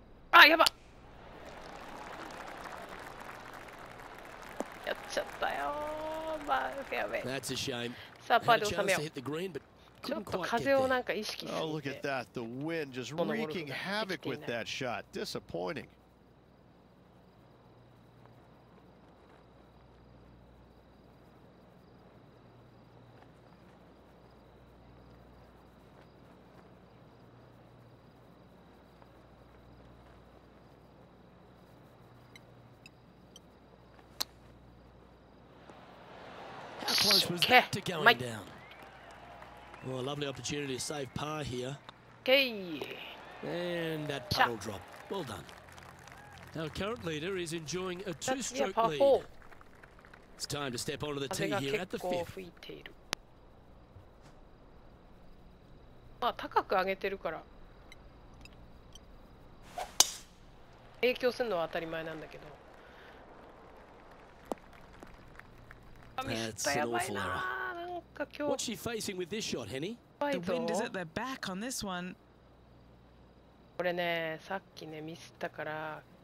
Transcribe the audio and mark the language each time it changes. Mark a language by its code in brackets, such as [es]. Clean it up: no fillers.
[ja] あ、やば、やっちゃったよ。まあ、やべえ。 [en] That's a shame. [ja] さあ、パーで収めよう。ちょっと風をなんか意識して。 [en] Oh, look at that. The wind just wreaking havoc with that shot. Disappointing. How close was that to going down? Oh, a lovely opportunity to save par here. Okay. And that paddle drop. Well done. Our current leader is enjoying a two-stroke lead. It's time to step onto the tee here at the fifth. [ja] 風が結構吹いている。まあ高く上げてるから影響するのは当たり前なんだけど。 [en] That's an awful error. What's she facing with this shot, Henny? The wind is at their back on this one. [ja] これね、さっきね、ミスったから。